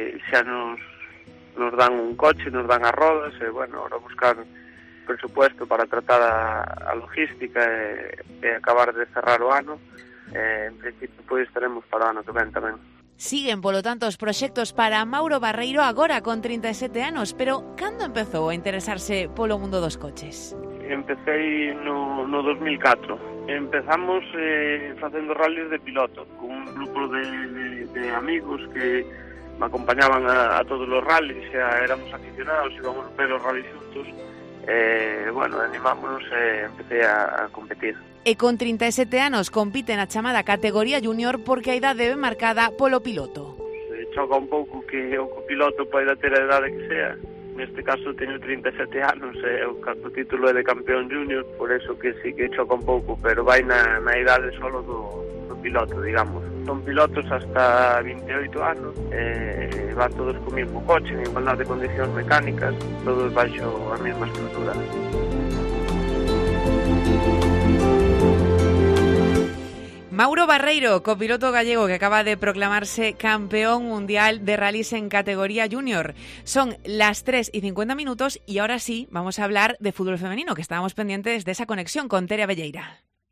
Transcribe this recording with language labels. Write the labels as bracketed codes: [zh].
[gl] Xa nos dan un coche, nos dan as rodas, e bueno, ahora buscar presupuesto para tratar a logística e acabar de cerrar o ano. En principio, pois estaremos para o ano que ven tamén. Siguen, polo tanto, os proxectos para Mauro Barreiro agora con 37 anos, pero cando empezou a interesarse polo mundo dos coches? Empecé no 2004. Empezamos facendo rallies de piloto, con un grupo de amigos [es] me acompañaban a todos los rallies, ya éramos aficionados, íbamos a ver los rallies juntos. Bueno, animámonos, empecé a competir. [gl] E con 37 anos compite na chamada categoría junior porque a idade é marcada polo piloto. Choca un pouco que o copiloto poida ter a idade que sea. Neste caso teño 37 anos, o título é de campeón junior, por eso que sí que choca un pouco, pero vai na idade solo do piloto, digamos. Son pilotos hasta 28 anos, van todos co mismo coche, en igualdad de condicións mecánicas, todos baixo a mesma estrutura. [es] Mauro Barreiro, copiloto gallego que acaba de proclamarse campeón mundial de rallies en categoría junior. Son las 3:50 y ahora sí vamos a hablar de fútbol femenino, que estábamos pendientes de esa conexión con Tere Abelleira.